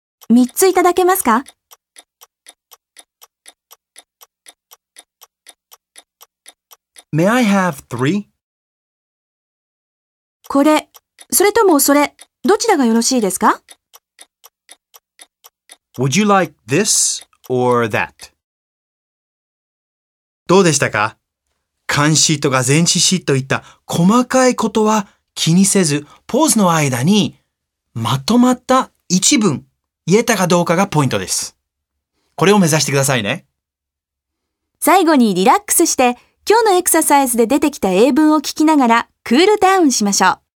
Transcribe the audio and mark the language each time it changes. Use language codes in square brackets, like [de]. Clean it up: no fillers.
[ja] 3ついただけますか? [en] May I have 3? [ja] これ、それともそれ、どちらがよろしいですか? [en] Would you like this or that? [ja] どうでしたか? 監視とか前置詞といった細かいことは気にせず、ポーズの間にまとまった一文言えたかどうかがポイントです。これを目指してくださいね。最後にリラックスして、今日のエクササイズで出てきた英文を聞きながらクールダウンしましょう。